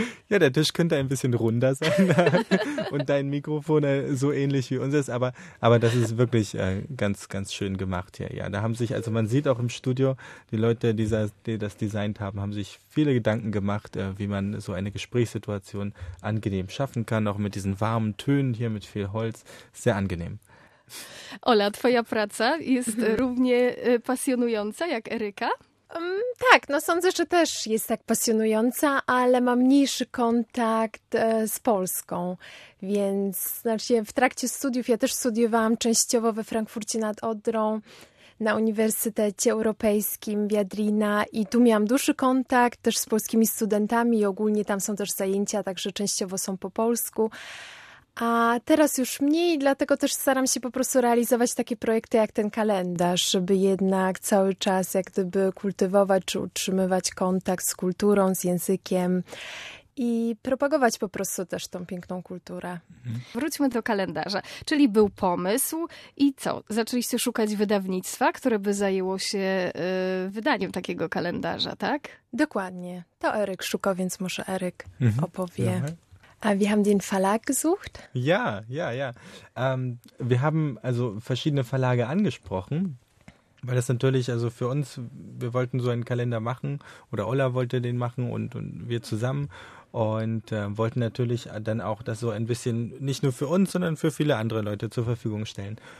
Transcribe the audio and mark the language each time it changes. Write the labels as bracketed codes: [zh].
[de] Ja, der Tisch könnte ein bisschen runder sein und dein Mikrofon so ähnlich wie unseres, aber das ist wirklich ganz, ganz schön gemacht hier. Ja, da haben sich, also man sieht auch im Studio, die Leute, die das designt haben, haben sich viele Gedanken gemacht, wie man so eine Gesprächssituation angenehm schaffen kann, auch mit diesen warmen Tönen hier, mit viel Holz, sehr angenehm. [pl] Ola, twoja praca jest równie pasjonująca jak Eryka? Tak, no sądzę, że też jest tak pasjonująca, ale mam mniejszy kontakt z Polską, więc znaczy w trakcie studiów, ja też studiowałam częściowo we Frankfurcie nad Odrą, na Uniwersytecie Europejskim Viadrina i tu miałam dłuższy kontakt też z polskimi studentami i ogólnie tam są też zajęcia, także częściowo są po polsku. A teraz już mniej, dlatego też staram się po prostu realizować takie projekty jak ten kalendarz, żeby jednak cały czas jak gdyby kultywować czy utrzymywać kontakt z kulturą, z językiem i propagować po prostu też tą piękną kulturę. Mhm. Wróćmy do kalendarza. Czyli był pomysł i co? Zaczęliście szukać wydawnictwa, które by zajęło się wydaniem takiego kalendarza, tak? Dokładnie. To Eryk szuka, więc może Eryk opowie. Mhm. [de] Wir haben den Verlag gesucht. Ja, ja, ja. Wir haben also verschiedene Verlage angesprochen, weil das natürlich, also für uns, wir wollten so einen Kalender machen oder Ola wollte den machen und wir zusammen und wollten natürlich dann auch das so ein bisschen nicht nur für uns, sondern für viele andere Leute zur Verfügung stellen.